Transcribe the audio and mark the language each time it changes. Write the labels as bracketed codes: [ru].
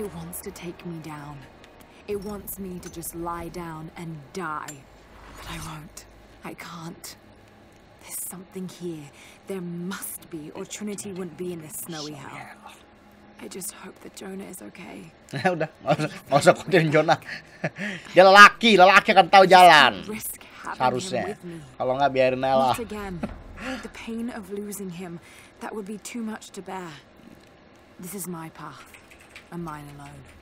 [en] It wants to take me down. It wants me to just lie down and die. But I won't. I can't. There's something here. There must be, or Trinity wouldn't be in this snowy hell. I just hope that Jonah is okay. [id] Udah, nggak usah khawatirin Jonah. Dia lelaki akan tahu jalan. Seharusnya. Kalau nggak biarin Ella. [en] Not again. The pain of losing him, that would be too much to bear. This is my path, and mine alone.